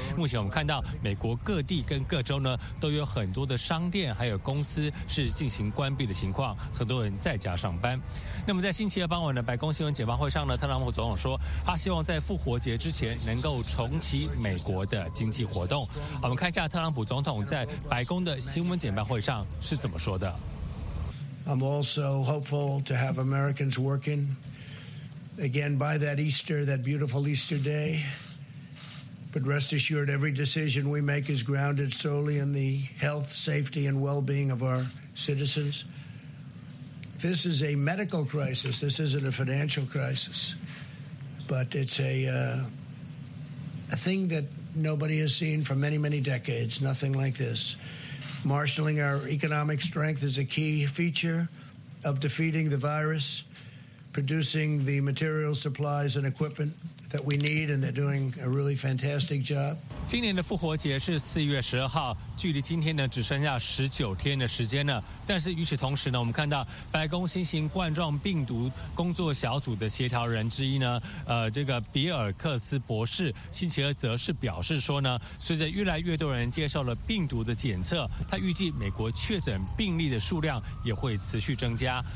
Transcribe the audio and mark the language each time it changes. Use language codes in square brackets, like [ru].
[zh] 目前我们看到美国各地跟各州呢都有很多的商店还有公司是进行关闭的情况，很多人在家上班。那么在星期二傍晚的白宫新闻简报会上呢，特朗普总统说他希望在复活节之前能够重启美国的经济活动。我们看一下特朗普总统在白宫的新闻简报会上是怎么说的。 [en] I'm also hopeful to have Americans working again by that Easter, that beautiful Easter day. But rest assured, every decision we make is grounded solely in the health, safety, and well-being of our citizens. This is a medical crisis. This isn't a financial crisis. But it's a thing that nobody has seen for many, many decades, nothing like this. Marshalling our economic strength is a key feature of defeating the virus, producing the materials, supplies, and equipment that we need, and they're doing a really fantastic job. [zh] 今年的复活节是4月12号，距离今天呢只剩下19天的时间了。但是与此同时呢，我们看到白宫新型冠状病毒工作小组的协调人之一呢，这个比尔克斯博士星期二则是表示说呢，随着越来越多人接受了病毒的检测，他预计美国确诊病例的数量也会持续增加。